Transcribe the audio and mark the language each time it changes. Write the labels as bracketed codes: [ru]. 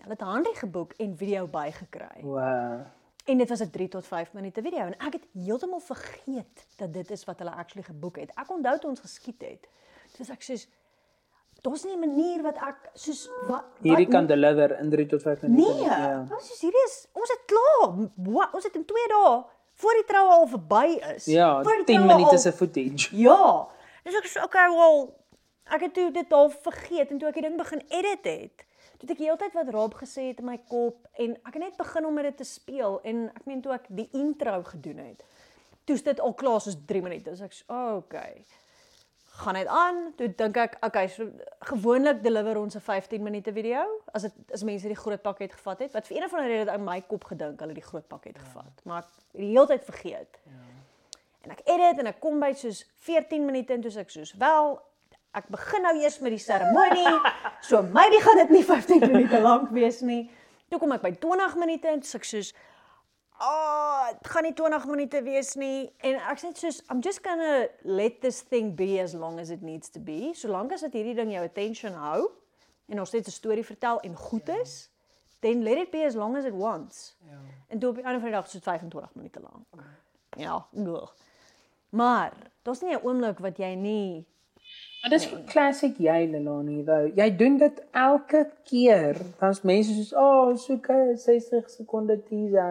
[af] Hulle het Henry geboek en video by gekry. Wow. En dit was 'n 3-5 minute video. En ek het heeltemal vergeet dat dit is wat hulle actually geboek het. Ek onthou toe ons geskiet het. Soos ek soos, dit is nie manier wat ek, soos, wat hierdie kan deliver in 3-5 minute. Nee, ja. Soos hierdie is, ons het klaar. Ons het in 2 dae, voor die troue al verby is. Ja, 10 minute se footage. Ja. Dus ek sê, okay, well, ek het toe dit al vergeet, en toe ek die ding begin edit het, toe het ek die hele tyd wat Rob gesê het in my kop, en ek het net begin om met dit te speel, en ek meen toe ek die intro gedoen het, toe is dit al klaar soos 3 minute, dus ek sê, okay, gaan het aan, toe dink ek, okay, so, gewoonlik deliver ons 'n 15 minute video, as mense die groot pakket gevat het, wat vir een van die rede het aan my kop gedink, hulle die groot pakket gevat, maar ek die hele tyd vergeet. Ja. en ek edit en ek kom by soos 14 minute en toe ek soos wel ek begin nou eers met die seremonie. So maybe gaan dit nie 15 minute lank wees nie. Toe kom ek by 20 minute en ek soos dit gaan nie 20 minute wees nie en ek sê soos [en] I'm just gonna let this thing be as long as it needs to be. [af] Solank as dit hierdie ding jou attention hou en ons net 'n storie vertel en goed is. [en] Then let it be as long as it wants. [af] En toe op die ander vrydag soos 25 minute lank. Ja, goed. Maar, daar's nie 'n oomblik wat jy nie... Maar dis classic jy, Lelanie, though. Jy doen dit elke keer. Dan is mense soos, soek 60 sekonde teaser.